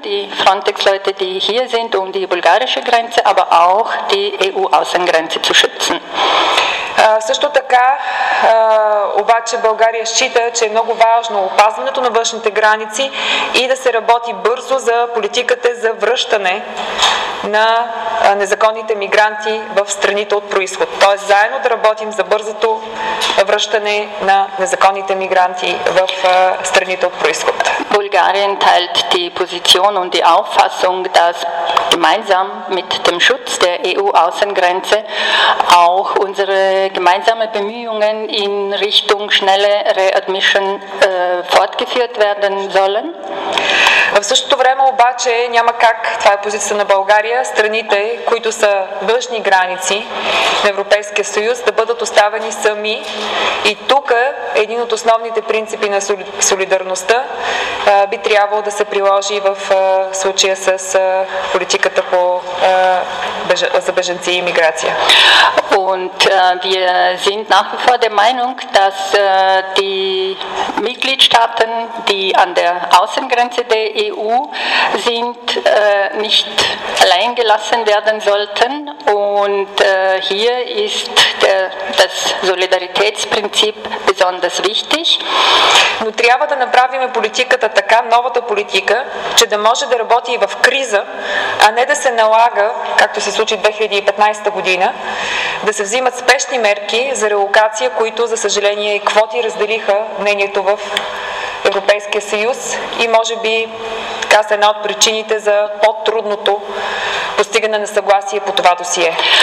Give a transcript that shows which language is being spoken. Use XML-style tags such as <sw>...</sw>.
<de>Die Frontex-Leute, die hier sind, um die bulgarische Grenze, aber auch die EU-Außengrenze zu schützen.</de> <bg>Също така, обаче България счита, че е много важно опазването на външните граници и да се работи бързо за политиката за връщане на незаконните мигранти в страните от произход. Тоест заедно да работим за бързото връщане на незаконните мигранти в страните от произход.</bg> <de>Bulgarien teilt die Position und die Auffassung, dass gemeinsam mit dem Schutz der EU-Außengrenze auch unsere gemeinsamen Bemühungen in Richtung schnelle Readmission fortgeführt werden sollen.</de> <bg>В същото време обаче няма как, това е позицията на България, страните, които са външни граници на Европейския съюз, да бъдат оставени сами. И тук един от основните принципи на солидарността би трябвало да се приложи в случая с политиката по за беженци и миграция.</bg> <de>Und wir sind nach wie vor der Meinung, dass die Mitgliedstaaten, die an der Außengrenze der EU sind, nicht allein gelassen werden sollten. Und hier ist das Solidaritätsprinzip besonders wichtig.</de> <bg>Но трябва да направим политиката така, новата политика, че да може да работи и в криза, а не да се налага, както се случи 2015 година, да се взимат спешни мерки за релокация, които, за съжаление, и квоти разделиха мнението в Европейския съюз и може би така са една от причините за по-трудното постигане на съгласие по това досие.</bg>